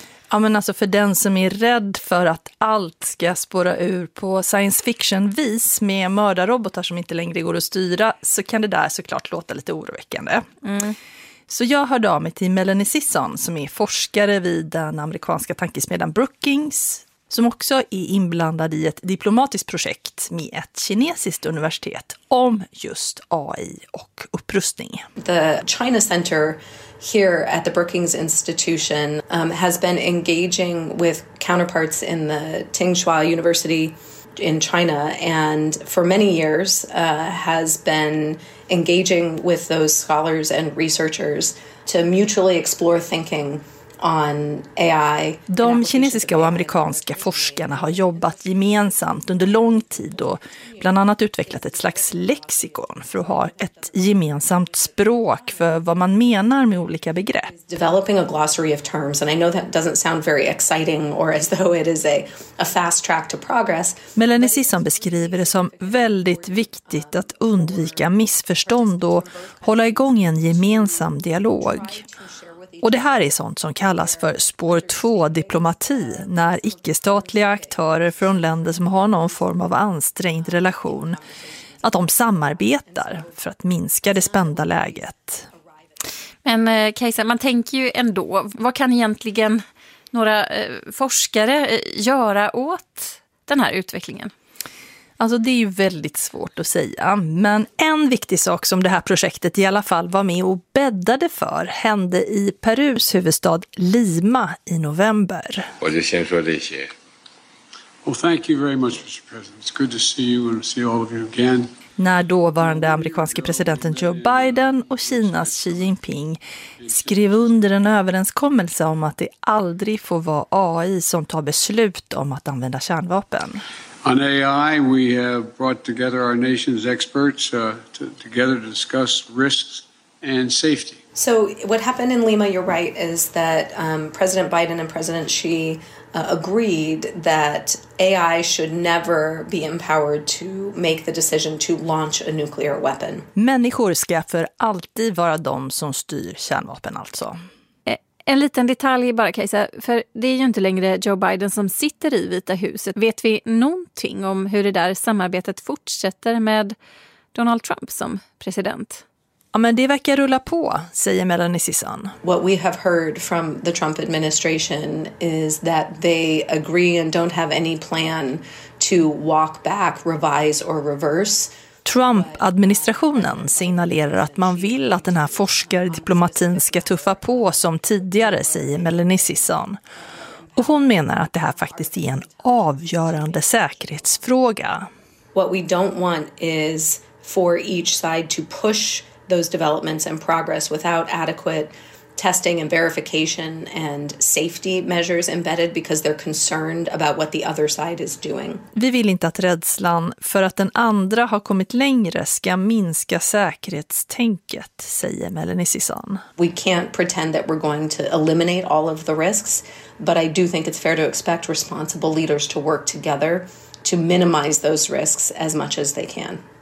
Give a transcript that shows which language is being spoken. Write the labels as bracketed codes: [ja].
[sv] Ja, men alltså för den som är rädd för att allt ska spåra ur på science fiction-vis med mördarrobotar som inte längre går att styra, så kan det där såklart låta lite oroväckande. Mm. Så jag hörde av mig till Melanie Sisson som är forskare vid den amerikanska tankesmedjan Brookings, som också är inblandad i ett diplomatiskt projekt med ett kinesiskt universitet om just AI och upprustning. [en] The China Center here at the Brookings Institution has been engaging with counterparts in the Tsinghua University in China, and for many years has been engaging with those scholars and researchers to mutually explore thinking on AI. [sv] De kinesiska och amerikanska forskarna har jobbat gemensamt under lång tid och bland annat utvecklat ett slags lexikon för att ha ett gemensamt språk för vad man menar med olika begrepp. [en] Developing a glossary of terms, and I know that doesn't sound very exciting or as though it is a fast track to progress. [sv] Melanie Sisson beskriver det som väldigt viktigt att undvika missförstånd och hålla igång en gemensam dialog. Och det här är sånt som kallas för spår 2-diplomati, när icke-statliga aktörer från länder som har någon form av ansträngd relation, att de samarbetar för att minska det spända läget. Men Kajsa, man tänker ju ändå, vad kan egentligen några forskare göra åt den här utvecklingen? Alltså det är ju väldigt svårt att säga, men en viktig sak som det här projektet i alla fall var med och bäddade för hände i Perus huvudstad Lima i november. Vad det känns för dig här. [en] Well, thank you very much, Mr. President. It's good to see you and see all of you again. [sv] När dåvarande amerikanske presidenten Joe Biden och Kinas Xi Jinping skrev under en överenskommelse om att det aldrig får vara AI som tar beslut om att använda kärnvapen. [en] On AI, we have brought together our nation's experts together to discuss risks and safety. So what happened in Lima, you're right, is that President Biden and President Xi agreed that AI should never be empowered to make the decision to launch a nuclear weapon. [sv] Människor ska för alltid vara de som styr kärnvapen alltså. En liten detalj bara, Kajsa, för det är ju inte längre Joe Biden som sitter i Vita huset. Vet vi någonting om hur det där samarbetet fortsätter med Donald Trump som president? Ja, men det verkar rulla på, säger Melanie Sisson. [en] What we have heard from the Trump administration is that they agree and don't have any plan to walk back, revise or reverse. [sv] Trump-administrationen signalerar att man vill att den här forskardiplomatin ska tuffa på som tidigare, säger Melanie Sisson. Och hon menar att det här faktiskt är en avgörande säkerhetsfråga. [en] What we don't want is for each side to push those developments and progress without adequate testing and verification and safety measures embedded, because they're concerned about what the other side is doing. [sv] Vi vill inte att rädslan för att den andra har kommit längre ska minska säkerhetstänket, säger Melanie Sisson. [en] We can't pretend that we're going to eliminate all of the risks, but I do think it's fair to expect responsible leaders to work together to minimize those risks as much as they can.